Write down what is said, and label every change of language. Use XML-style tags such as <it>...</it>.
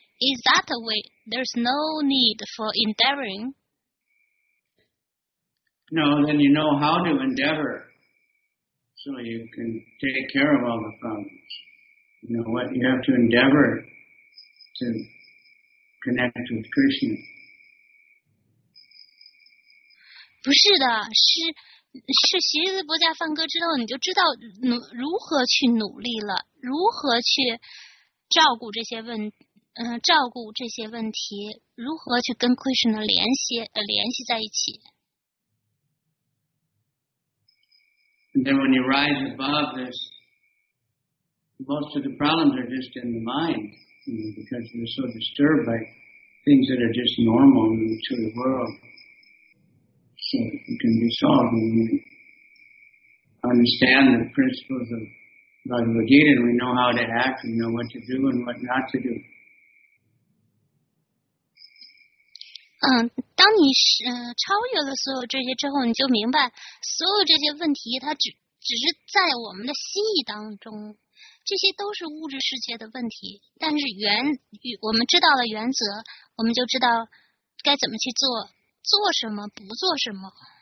<en>Is that a way? There's no need for endeavoring? No, then you know how to endeavor, so you can take care of all the problems. You know what? You have to endeavor to connect with Krishna.</en> <zh>不是的，是习了佛家梵歌之后，你就知道如何去努力了，如何去照顾这些问题。照顾这些问题，如何去跟 Krishna 联系在一起。</zh> <en>And then when you rise above this, most of the problems are just in the mind, you know, because you're so disturbed by things that are just normal to the world. So it can be solved when you understand the principles of Bhagavad Gita, and we know how to act, we know what to do and what not to do.</en> <zh>当你超越了所有这些之后，你就明白所有这些问题它只是在我们的心意当中，这些都是物质世界的问题，但是我们知道了原则，我们就知道该怎么去做，做什么不做什么。</zh>